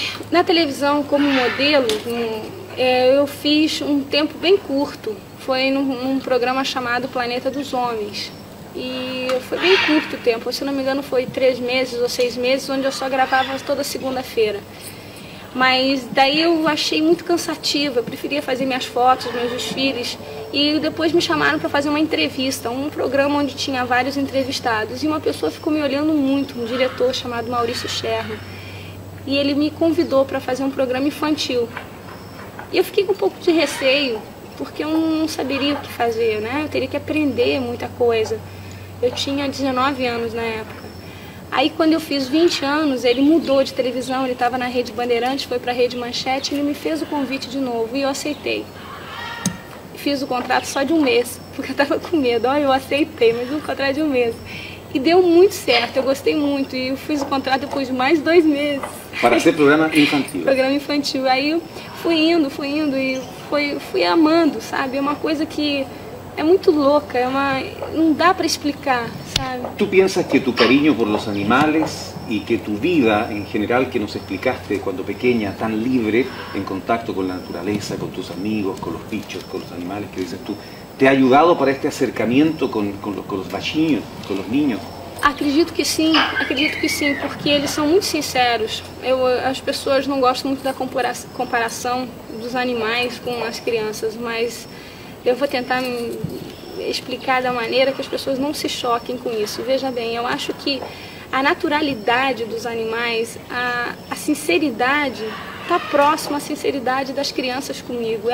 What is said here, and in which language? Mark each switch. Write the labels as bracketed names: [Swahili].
[Spanish] La televisión como modelo, yo fiz un tiempo bien corto. Fue en un programa llamado Planeta dos Homens. Y fue bien corto el tiempo, si no me engano, fue 3 meses o 6 meses, donde yo só gravaba [Portuguese] toda segunda-feira. Mas daí eu achei muito cansativo, eu preferia fazer minhas fotos, meus desfiles. E depois me chamaram para fazer uma entrevista, um programa onde tinha vários entrevistados. E uma pessoa ficou me olhando muito, um diretor chamado Maurício Scherner. E ele me convidou para fazer um programa infantil. E eu fiquei com um pouco de receio, porque eu não saberia o que fazer, né? Eu teria que aprender muita coisa. Eu tinha 19 anos na época. Aí quando eu fiz 20 anos, ele mudou de televisão, ele estava na Rede Bandeirantes, foi para a Rede Manchete, ele me fez o convite de novo e eu aceitei. Fiz o contrato só de 1 mês, porque eu estava com medo. Olha, eu aceitei, mas um contrato de 1 mês. E deu muito certo, eu gostei muito e eu fiz o contrato depois de mais 2 meses. Para ser programa infantil. Programa infantil. Aí fui indo e fui amando, sabe? É uma coisa que é muito louca, não dá para explicar. [Spanish] ¿Tú piensas que tu cariño por los animales y que tu vida en general, que nos explicaste cuando pequeña, tan libre, en contacto con la naturaleza, con tus amigos, con los bichos, con los animales, que dices tú, te ha ayudado para este acercamiento con los bachinhos, con los niños? [Portuguese] Acredito que sim, porque eles são muito sinceros. As pessoas não gostam muito da comparação dos animais com as crianças, mas eu vou tentar explicar da maneira que as pessoas não se choquem com isso. Veja bem, eu acho que a naturalidade dos animais, a sinceridade, está próxima à sinceridade das crianças comigo.